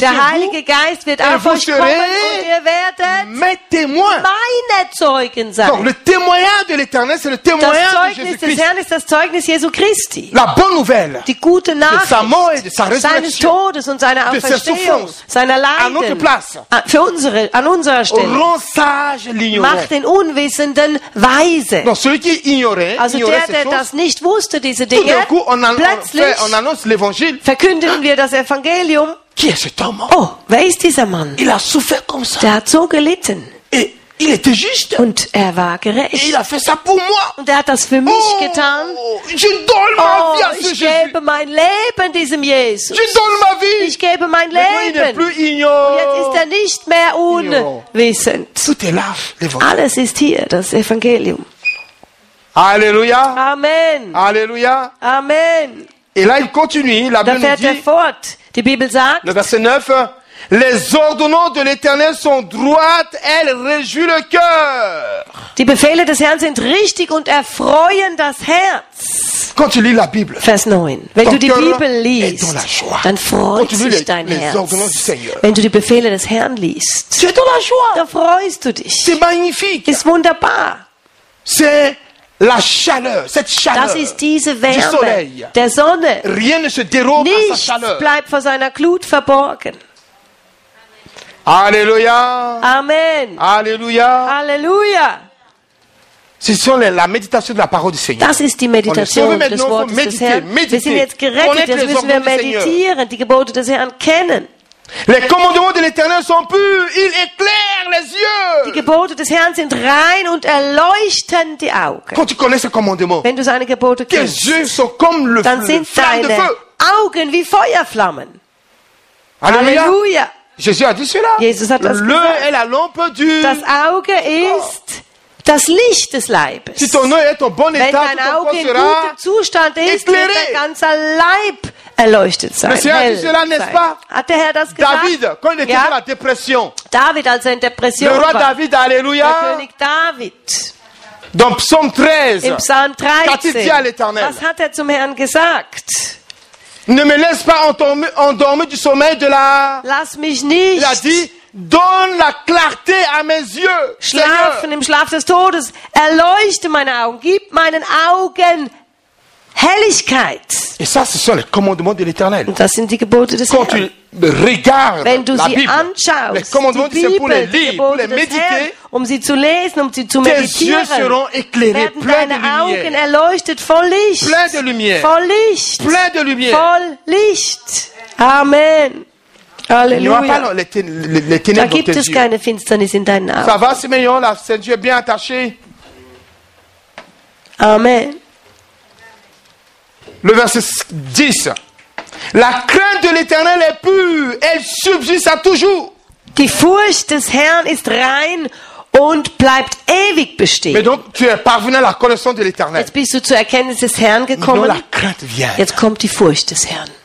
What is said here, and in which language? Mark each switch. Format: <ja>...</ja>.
<de>Der Heilige Geist wird auf euch kommen und ihr werdet</de> <fr>mes témoins.</fr> <de>Meine Zeugen sein.</de> <fr>Donc, le témoignage de l'Éternel, c'est le témoignage de Jésus-Christ.</fr> <de>Das Zeugnis des Herrn ist das Zeugnis Jesu Christi.</de> <fr>La bonne nouvelle.</fr> <de>Die gute Nachricht.</de> <fr>De sa mort et de sa résurrection.</fr> <de>Seines Todes und seiner Auferstehung. Seiner Leiden.</de> <fr>À notre place.</fr> <de>Für unsere, an unserer Stelle. Macht den Unwissenden weise.</de> <fr>Non, celui qui ignorait,</fr> <de>also</de> <fr>ignorait</fr> <de>der das chose, nicht wusste, diese Dinge,</de> <fr>coup,</fr> <de>plötzlich verkündeten wir das Evangelium.</de> <fr>Qui est cet homme?</fr> <de>Oh, wer ist dieser Mann?</de> <fr>Il a souffert comme ça.</fr> <de>Der hat so gelitten.</de> <fr>Et il était juste.</fr> <de>Und er war gerecht.</de> <fr>Et il a fait ça pour moi.</fr> <de>Und er hat das für mich getan.</de> <fr>Je donne ma vie à ce</fr> <de>ich gebe mein Leben diesem Jesus.</de> <fr>Je donne ma vie.</fr> <de>Ich gebe mein Leben. Und jetzt ist er nicht mehr unwissend.</de> <fr>Tout est là,</fr> <de>alles ist hier, das Evangelium.</de> <fr>Alléluia.</fr> <de>Amen.</de> <fr>Alléluia.</fr> <de>Amen.</de> <fr>Et là, il continue, la</fr> <de>da fährt</de> <fr>dit,</fr> <de>er fort. Die Bibel sagt,</de> <fr>le verset 9, les ordonnances de l'Éternel sont droites, elles réjouissent le cœur.</fr> <de>Die Befehle des Herrn sind richtig und erfreuen das Herz.</de> <fr>Quand tu lis la Bible,</fr> <de>Vers 9. Wenn du die Bibel liest,</de> <fr>dans la joie.</fr> <de>Dann freut sich dein</de> <fr>les</fr> <de>Herz.</de> <fr>Ordonnances du Seigneur.</fr> <de>Wenn du die Befehle des Herrn liest,</de> <fr>tu es dans la joie.</fr> <de>Dann freust du dich.</de> <fr>C'est magnifique.</fr> <de>Ist wunderbar.</de> <fr>C'est la chaleur, cette chaleur</fr> <de>das ist diese Wärme</de> <fr>du soleil.</fr> <de>Der Sonne.</de> <fr>Rien ne se dérobe à sa chaleur.</fr> <de>Nichts bleibt vor seiner Glut verborgen.</de> <fr>Alléluia.</fr> <de>Amen.</de> <fr>Alléluia. Alléluia. Ce sont la méditation de la parole du Seigneur.</fr> <de>Das ist die Meditation des Wortes des Herrn. Wir sind jetzt gerettet, jetzt müssen wir meditieren, die Gebote des Herrn kennen.</de> <fr>Les commandements de l'Éternel sont purs, ils éclairent les yeux.</fr> <de>Die Gebote des Herrn sind rein und erleuchten die Augen.</de> <fr>Quand tu connais ces commandements,</fr> <de>wenn du seine Gebote kennst,</de> <fr>tes yeux sont comme le</fr> <de>dann sind deine Augen wie Feuerflammen.</de> <fr>Alléluia. Alléluia. Jésus a dit cela.</fr> <de>Jesus hat das</de> <fr>l'œil</fr> <de>gesagt.</de> <fr>Est la lampe du.</fr> <de>Das Auge ist das Licht des Leibes.</de> <fr>Si ton œil est en bon état,</fr> <de>wenn dein Auge in gutem Zustand ist, wird dein ganzer Leib erleuchtet sein.</de> <fr>Le Seigneur a dit cela, n'est-ce pas?</fr> <de>Hat der Herr das gesagt?</de> <fr>David, quand il était dans la dépression.</fr> <de>David, als er in Depression</de> <fr>le roi David,</fr> <de>war.</de> <fr>Alléluia.</fr> <de>Der König David.</de> <fr>Dans Psaume 13.</fr> <de>Im Psalm 13.</de> <fr>Qu'a-t-il dit à l'Éternel?</fr> <de>Was hat er zum Herrn gesagt?</de> <fr>Ne me laisse pas endormir du sommeil de la.</fr> <de>Lass mich nicht.</de> <fr>Il a dit, donne la clarté à mes yeux.</fr> <de>Schlafen</de> <fr>Seigneur.</fr> <de>Im Schlaf des Todes. Erleuchte meine Augen. Gib meinen Augen Helligkeit.</de> <fr>Et ça, ce sont les commandements de l'Éternel.</fr> <de>Und das sind die Gebote des</de> <fr>Quand</fr> <de>Herrn.</de> <fr>Tu regardes</fr> <de>Wenn du</de> <fr>la</fr> <de>sie</de> <fr>Bible,</fr> <de>anschaust,</de> <fr>les commandements,</fr> <de>Bibel,</de> <fr>c'est pour les lire, pour les méditer,</fr> <de>Herrn, um sie zu lesen, um sie zu méditer,</de> <fr>tes yeux seront éclairés, pleins de lumière.</fr> <de>Augen erleuchtet, voll Licht,</de> <fr>plein de lumière.</fr> <de>Voll Licht,</de> <fr>plein de lumière.</fr> <de>Voll Licht. Amen. Alléluia.</de> <fr>Les ténèbres</fr> <de>da gibt es keine Finsternis in deinen Augen.</de> <fr>Ça va, Simeon, la ceinture est bien attachée.</fr> <de>Amen.</de> <fr>Le verset 10. La crainte de l'Éternel est pure, elle subsiste à toujours.</fr> <de>Die Furcht des Herrn ist rein und bleibt ewig bestehen.</de> <fr>Mais donc, tu es parvenu à la connaissance de l'Éternel.</fr> <de>Jetzt bist du zur Erkenntnis des Herrn gekommen.</de> <fr>Maintenant, la crainte vient.</fr> <de>Jetzt kommt die Furcht des Herrn.</de>